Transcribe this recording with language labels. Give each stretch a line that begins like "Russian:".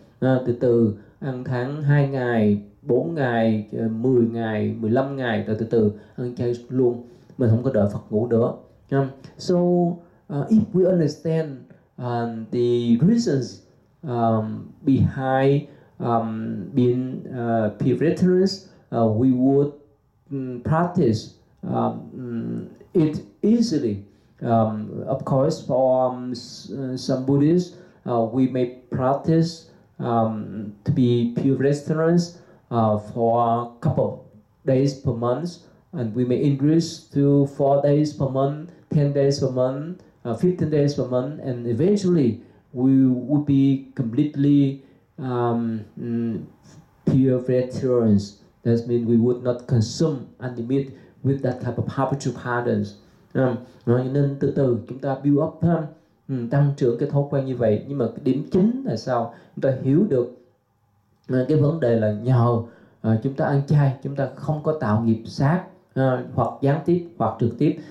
Vietnamese: Từ từ ăn tháng 2 ngày, 4 ngày, 10 ngày, 15 ngày, rồi từ từ ăn chay luôn, mình không có đợi Phật ngủ nữa.
English: So if we understand the reasons behind being pure vegetarians, we would practice it easily. Of course, for some Buddhists, we may practice to be pure vegetarians for a couple of days per month, and we may increase to 4 days per month, 10 days per month, 15 days per month, and eventually we would be completely pure vegetarians. That means we would not consume any meat with that type of habitual patterns.
Vietnamese: Nên từ từ chúng ta
English: build up,
Vietnamese: tăng trưởng cái thói quen như vậy. Nhưng mà cái điểm chính là sao? Chúng ta hiểu được cái vấn đề là nhờ chúng ta ăn chay, chúng ta không có tạo nghiệp sát, hoặc gián tiếp hoặc trực tiếp.